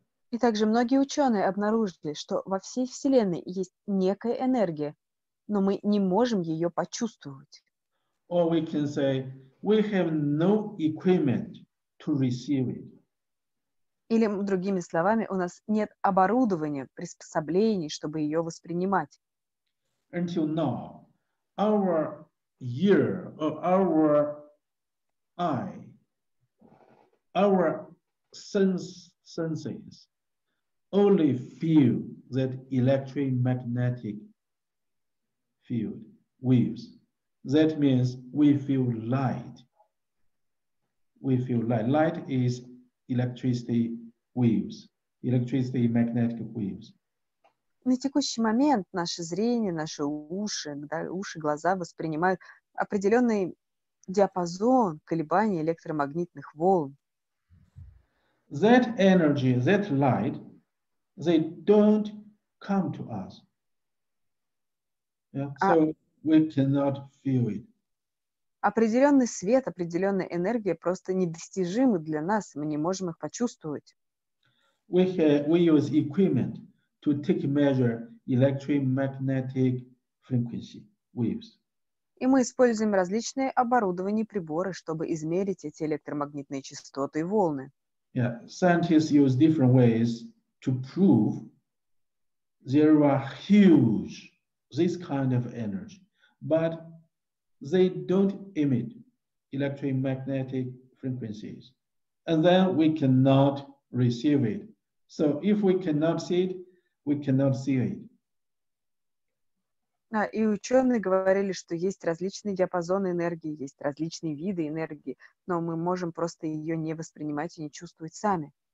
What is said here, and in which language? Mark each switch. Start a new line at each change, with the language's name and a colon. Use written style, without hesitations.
Russian: И также многие ученые обнаружили, что во всей Вселенной есть некая энергия, но мы не можем ее почувствовать.
English: Or we can say we have no equipment to receive it.
Russian: Или другими словами, у нас нет оборудования, приспособлений, чтобы ее воспринимать.
English: Until now, our ear of our eye, our senses only feel that electromagnetic field waves. That means we feel light. We feel light. Light is electricity waves, electricity magnetic waves.
Russian: На текущий момент наше зрение, наши уши, да, уши, глаза воспринимают определенный диапазон колебаний электромагнитных волн.
English: That energy, that light, they don't come to us. Yeah? So we cannot feel it.
Russian: Определенный свет, определенная энергия просто недостижимы для нас, мы не можем их почувствовать.
English: We use equipment to take measure electromagnetic frequency waves.
Russian: И мы используем различные оборудования и приборы, чтобы измерить эти электромагнитные частоты и волны.
English: Yeah, scientists use different ways to prove there are huge this kind of energy, but they don't emit electromagnetic frequencies, and then we cannot receive it. So if we cannot see it, we cannot see it.
Russian: А, и ученые говорили, что есть различные диапазоны энергии, есть различные виды энергии, но мы можем просто ее не воспринимать и не чувствовать сами.